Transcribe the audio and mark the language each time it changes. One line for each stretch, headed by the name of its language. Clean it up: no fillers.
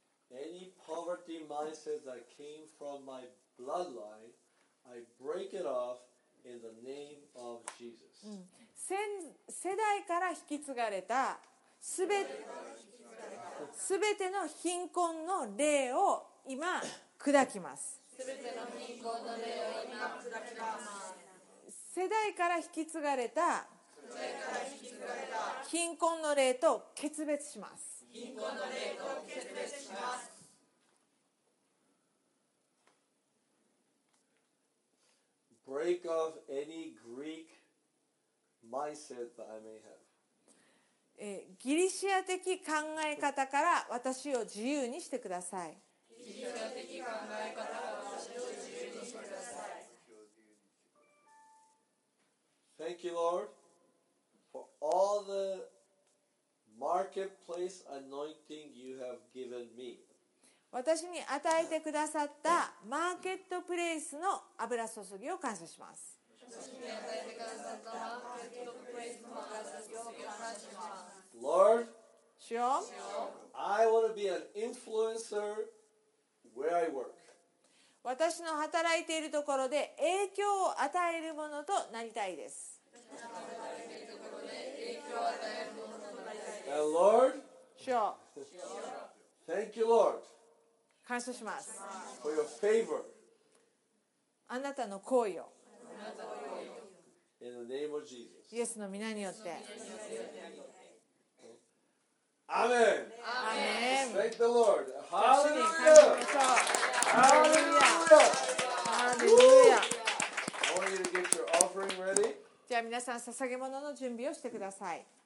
English: Any poverty mindset that came from my bloodline, I break it off in the name of Jesus.
Japanese: 世代から引き継がれたすべての貧困の霊を今砕きます。すべての貧困の霊を今砕きます。世代から引き継がれた貧困の霊と決別します。貧困の霊と決別します。
English: break off any Greek mindset that I may have.
Japanese: ギリシア的考え方から私を自由にしてください。ギリシア的考え方から私を自由にしてください。
English: Thank you, Lord, for all the marketplace anointing you have given me.
Japanese: 私に与えてくださったマーケットプレイスの油注ぎを感謝します。
English: Lord,
Japanese: 主よ、
English: I want to be an influencer where I work.
Japanese: 私の働いているところで影響を与えるものとなりたいです。
English: And Lord,
Japanese: 主よ、
English: Thank you, Lord.
Japanese: 感謝します。
English: For your favor.
Japanese: あなたの好意を。
English: In the name of Jesus.
Japanese: イエスの名によって。
English: Amen. Amen. Thank the Lord. Hallelujah. Hallelujah. Hallelujah. I want you to get your offering ready.
Japanese: じゃあ皆さん捧げ物の準備をしてください。